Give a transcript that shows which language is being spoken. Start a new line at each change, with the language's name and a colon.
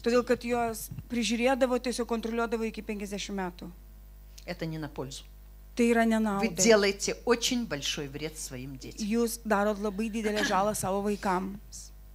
Lithuanian: Todėl, kad juos prižiūrėdavo, tiesiog kontroliuodavo iki 50 metų.
Russian: Это не на пользу.
Lithuanian: Tai yra nenaudai.
Russian: Вы делаете очень большой вред своим детям.
Lithuanian: Jūs darot labai didelę žalą savo vaikams.